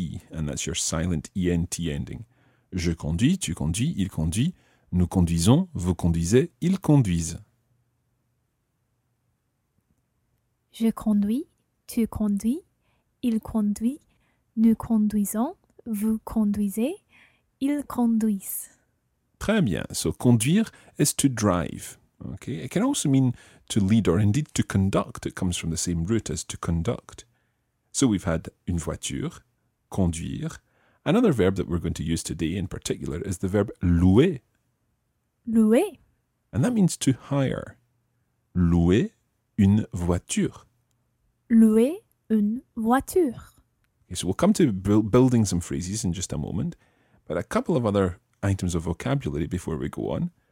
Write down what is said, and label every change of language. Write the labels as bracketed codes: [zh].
[en] And that's your silent E-N-T ending. [fr] Je conduis, tu conduis, il conduit. Nous conduisons, vous conduisez, ils conduisent. Je conduis, tu conduis, il conduit, nous conduisons, vous conduisez, ils conduisent. Très bien. [en] So, conduire is to drive. Okay. It can also mean to lead or indeed to conduct. It comes from the same root as to conduct. So, we've had une voiture, conduire. Another verb that we're going to use today in particular is the verb louer. [fr] Louer. [en] And that means to hire. [fr] Louer une voiture. Louer une voiture. [en] Okay, so we'll come to building some phrases in just a moment, but a couple of other items of vocabulary before we go on.